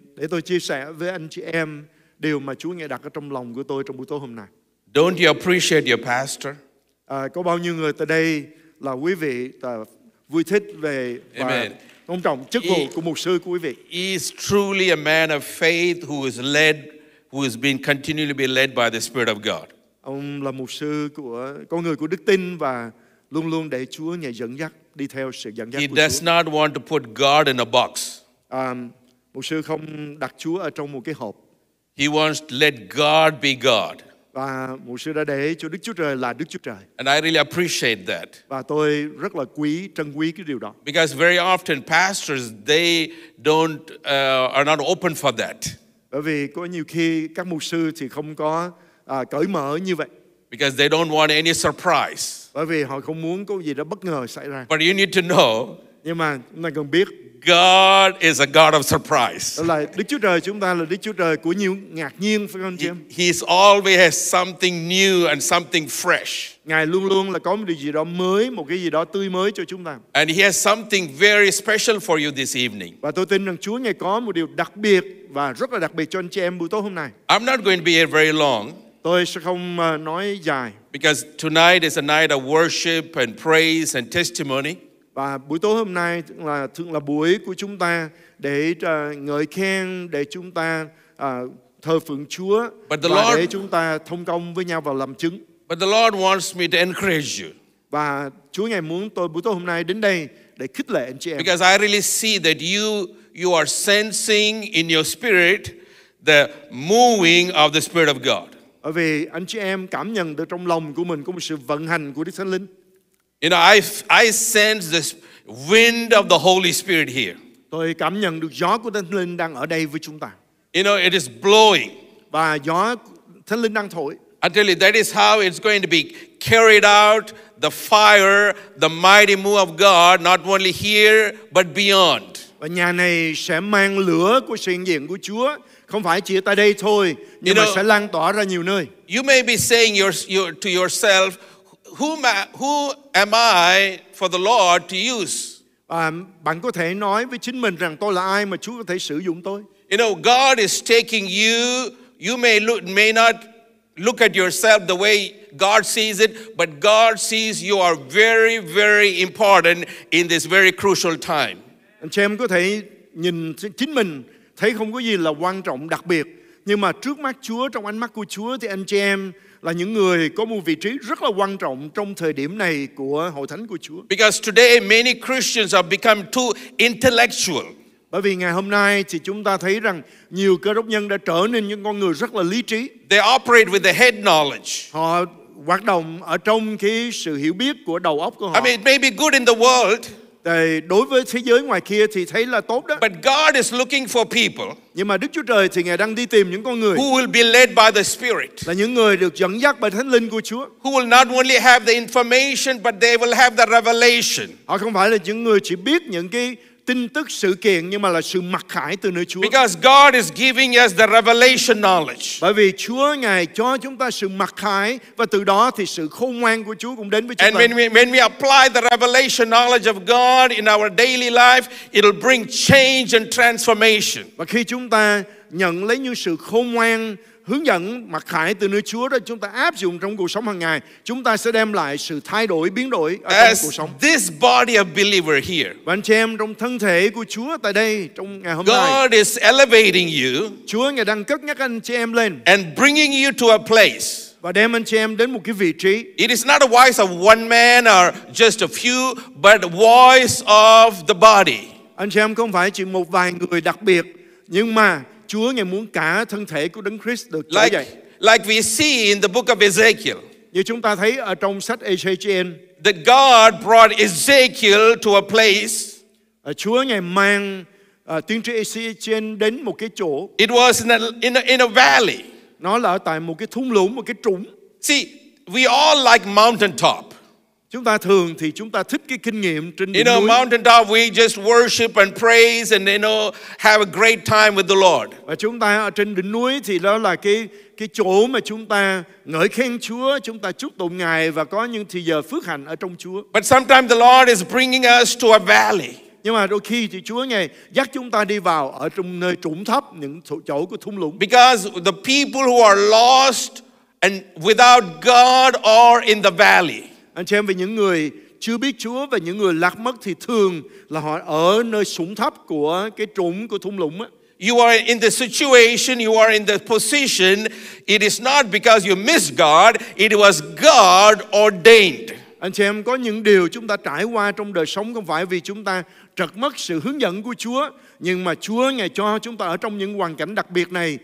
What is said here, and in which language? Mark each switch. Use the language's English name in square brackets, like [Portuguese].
[Vietnamese] Tôi chia sẻ với anh chị em điều mà Chúa nghe đặt ở trong lòng của tôi trong buổi tối hôm nay. [English] Don't you appreciate your pastor? [Vietnamese] Có bao nhiêu người tại đây là quý vị vui thích về và tôn trọng chức vụ của mục sư của quý vị? [English] He is truly a man of faith who is led, who has been continually been led by the Spirit of God. [Vietnamese] Ông là mục sư của con người của đức tin và luôn luôn để Chúa ngài dẫn dắt, đi theo sự dẫn dắt của Chúa. [English] He does not want to put God in a box. [Vietnamese] Mục sư không đặt Chúa ở trong một cái hộp. [English] He wants to let God be God. [Vietnamese] Và mục sư đã để cho Đức Chúa Trời là Đức Chúa Trời. [English] And I really appreciate that. [Vietnamese] Và tôi rất là quý, trân quý cái điều đó. [English] Because very often pastors, they don't are not open for that. [Vietnamese] Bởi vì có nhiều khi các mục sư thì không có cởi mở như vậy. [English] Because they don't want any surprise. [Vietnamese] Bởi vì họ không muốn có gì đó bất ngờ xảy ra. [English] But you need to know. [Vietnamese] Nhưng mà chúng ta cần biết. [English] God is a God of surprise. [Vietnamese] Là Đức Chúa Trời chúng ta là Đức Chúa Trời của nhiều ngạc nhiên, phải không chị em? [English] He is always has something new and something fresh. [Vietnamese] Ngài luôn luôn là có một điều gì đó mới, một cái gì đó tươi mới cho chúng ta. [English] And he has something very special for you this evening. [Vietnamese] Và tôi tin rằng Chúa ngài có một điều đặc biệt và rất là đặc biệt cho anh chị em buổi tối hôm nay. [English] I'm not going to be here very long. [Vietnamese] Tôi sẽ không nói dài. [English] Because tonight is a night of worship and praise and testimony. [Vietnamese] Và buổi tối hôm nay là thường là buổi của chúng ta để ngợi khen, để chúng ta thờ phượng Chúa và [English] Lord, [Vietnamese] để chúng ta thông công với nhau và làm chứng. [English] But the Lord wants me to encourage you. [Vietnamese] Và Chúa ngài muốn tôi buổi tối hôm nay đến đây để khích lệ anh chị em. [English] Because I really see that you are sensing in your spirit the moving of the Spirit of God. [Vietnamese] Bởi vì anh chị em cảm nhận được trong lòng của mình có một sự vận hành của Đức Thánh Linh. [English] You know, I sense this wind of the Holy Spirit here. [Vietnamese] Tôi cảm nhận được gió của Thánh Linh đang ở đây với chúng ta. [English] You know, it is blowing. [Vietnamese] Và gió Thánh Linh đang thổi. [English] I tell you, that is how it's going to be carried out, the fire, the mighty move of God, not only here, but beyond. [Vietnamese] Và nhà này sẽ mang lửa của sự hiện diện của Chúa, không phải chỉ tại đây thôi, nhưng mà sẽ lan tỏa ra nhiều nơi. [English] You may be saying to yourself, who am I for the Lord to use? [Vietnamese] Bạn có thể nói với chính mình rằng tôi là ai mà Chúa có thể sử dụng tôi? [English] You know, God is taking you. You may not look at yourself the way God sees it, but God sees you are very, very important in this very crucial time. [Vietnamese] Anh chị em có thể nhìn chính mình thấy không có gì là quan trọng đặc biệt, nhưng mà trước mắt Chúa, trong ánh mắt của Chúa thì anh chị em là những người có một vị trí rất là quan trọng trong thời điểm này của hội thánh của Chúa. [English] Because today many Christians have become too intellectual. [Vietnamese] Bởi vì ngày hôm nay thì chúng ta thấy rằng nhiều cơ đốc nhân đã trở nên những con người rất là lý trí. [English] They operate with the head knowledge. [Vietnamese] Họ hoạt động ở trong cái sự hiểu biết của đầu óc của họ. [English] I mean, it may be good in the world. [Vietnamese] Đối với thế giới ngoài kia thì thấy là tốt đó. [English] But God is looking for people. [Vietnamese] Nhưng mà Đức Chúa Trời thì ngài đang đi tìm những con người [English] who will be led by the Spirit. [Vietnamese] Là những người được dẫn dắt bởi Thánh Linh của Chúa. [English] Who will not only have the information but they will have the revelation. [Vietnamese] Họ không phải là những người chỉ biết những cái tin tức sự kiện nhưng mà là sự mặc khải từ nơi Chúa. [English] Because God is giving us the revelation knowledge. [Vietnamese] Bởi vì Chúa ngài cho chúng ta sự mặc khải và từ đó thì sự khôn ngoan của Chúa cũng đến với chúng [English] and [Vietnamese] ta. [English] And when we apply the revelation knowledge of God in our daily life, it'll bring change and transformation. [Vietnamese] Và khi chúng ta nhận lấy những sự khôn ngoan hướng dẫn mặc khải từ nơi Chúa đó chúng ta áp dụng trong cuộc sống hàng ngày, chúng ta sẽ đem lại sự thay đổi biến đổi ở trong cuộc sống. [English] This body of believer here. [Vietnamese] Và anh chị em trong thân thể của Chúa tại đây trong ngày hôm [English] God [Vietnamese] nay. [English] God is elevating you. [Vietnamese] Chúa ngài đang cất nhắc anh chị em lên. [English] And bringing you to a place. [Vietnamese] Và đem anh chị em đến một cái vị trí. [English] It is not a voice of one man or just a few, but a voice of the body. [Vietnamese] Anh chị em không phải chỉ một vài người đặc biệt, nhưng mà Chúa ngài muốn cả thân thể của Đấng Christ được trở dậy. [English] Like we see in the book of Ezekiel. [Vietnamese] Như chúng ta thấy ở trong sách Ezekiel. [English] That God brought Ezekiel to a place. [Vietnamese] Chúa ngài mang tiên tri Ezekiel đến một cái chỗ. [English] It was in a valley. [Vietnamese] Nó là tại một cái thung lũng, một cái trũng. [English] See, we all like mountain top. [Vietnamese] Chúng ta thường thì chúng ta thích cái kinh nghiệm trên đỉnh núi. [English] In a mountaintop, we just worship and praise and, you know, have a great time with the Lord. [Vietnamese] Và chúng ta ở trên đỉnh núi thì đó là cái chỗ mà chúng ta ngợi khen Chúa, chúng ta chúc tụng ngài và có những thời giờ phước hạnh ở trong Chúa. [English] But sometimes the Lord is bringing us to a valley. [Vietnamese] Nhưng mà đôi khi thì Chúa ngài dắt chúng ta đi vào ở trong nơi trũng thấp, những chỗ của thung lũng. [English] Because the people who are lost and without God are in the valley. [Vietnamese] Anh chị em, về những người chưa biết Chúa và những người lạc mất thì thường là họ ở nơi sủng thấp của cái trũng của thung lũng á. [English] You are in the situation, you are in the position, it is not because you miss God, it was God ordained. [Vietnamese] Anh chị em, có những điều chúng ta trải qua trong đời sống không phải vì chúng ta trật mất sự hướng dẫn của Chúa, nhưng mà Chúa ngài cho chúng ta ở trong những hoàn cảnh đặc biệt này.